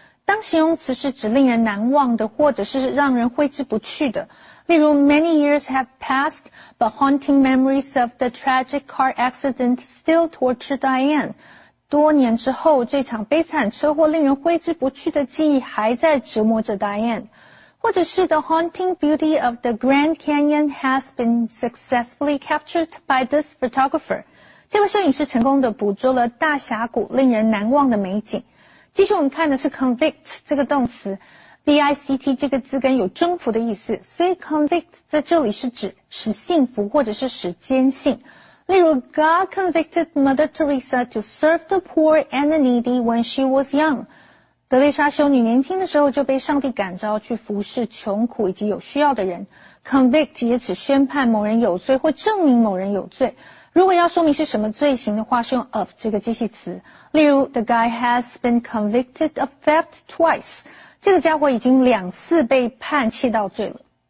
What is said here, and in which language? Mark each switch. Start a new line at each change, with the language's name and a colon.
Chinese: 当形容词是指令人难忘的或者是让人挥之不去的。例如
English: ,many years have passed, but haunting memories of the tragic car accident still torture Diane.
Chinese: 多年之后这场悲惨车祸令人挥之不去的记忆还在折磨着 Diane。或者是
English: The haunting beauty of the Grand Canyon has been successfully captured by this photographer.
Chinese: 这位摄影师成功地捕捉了大峡谷令人难忘的美景。继续我们看的是 convict 这个动词。V-I-C-T 这个字根有征服的意思，所以 convict 在这里是指使幸福或者是使坚信。例如
English: God convicted Mother Teresa to serve the poor and the needy when she was young.
Chinese: 德蕾莎修女年轻的时候就被上帝感召去服侍穷苦以及有需要的人。 Convict 也指宣判某人有罪或证明某人有罪。如果要说明是什么罪行的话，是用 of 这个介系词。例如
English: The guy has been convicted of theft twice.
Chinese: 这个家伙已经两次被判窃盗罪了。